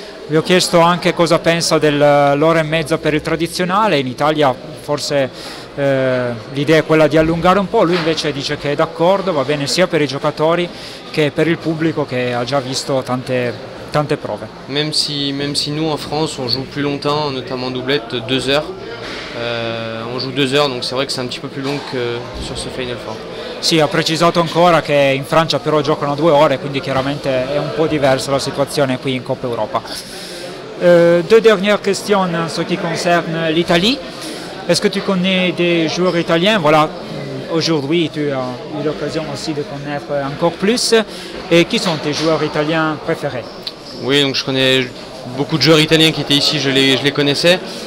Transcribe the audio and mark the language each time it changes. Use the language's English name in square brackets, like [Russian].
[Italian] Vi ho chiesto anche cosa pensa dell'ora e mezza per il tradizionale. In Italia forse l'idea è quella di allungare un po', lui invece dice che è d'accordo, va bene sia per i giocatori che per il pubblico che ha già visto tante prove. [French] Même si nous en France on joue plus longtemps, notamment doublette, 2 heures. On joue 2 heures, donc c'est vrai que c'est un petit peu plus long que sur ce Final Four. [Italian] Sì, ha precisato ancora che in Francia però giocano 2 ore, quindi chiaramente è un po' diversa la situazione qui in Coppa Europa. [French] Deux dernières questions en ce qui concerne l'Italie. Est-ce que tu connais des joueurs italiens? Voilà, aujourd'hui tu as eu l'occasion aussi de connaître encore plus. Et qui sont tes joueurs italiens préférés? Oui, donc je connais beaucoup de joueurs italiens qui étaient ici, je les connaissais.